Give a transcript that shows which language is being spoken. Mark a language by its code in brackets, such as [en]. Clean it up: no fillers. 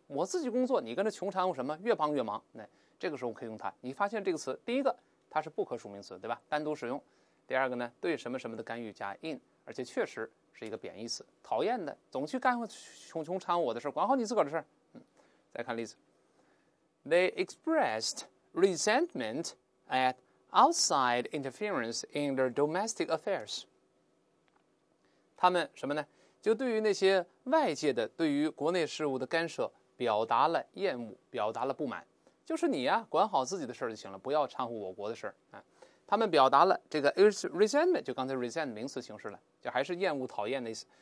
[zh] 我自己工作，你跟着穷掺和什么？越帮越忙。那这个时候可以用它。你发现这个词，第一个。它是不可数名词，对吧？单独使用。第二个呢，对什么什么的干预加 in，而且确实是一个贬义词，讨厌的，总去干穷掺和我的事，管好你自个儿的事。 [en] 再看例子，They expressed resentment at outside interference in their domestic affairs。 [zh] 他们什么呢？就对于那些外界的、对于国内事务的干涉，表达了厌恶，表达了不满。就是你呀，管好自己的事儿就行了，不要掺和我国的事儿啊。他们表达了这个 resentment，就刚才 resent 名词形式了，就还是厌恶、讨厌的意思。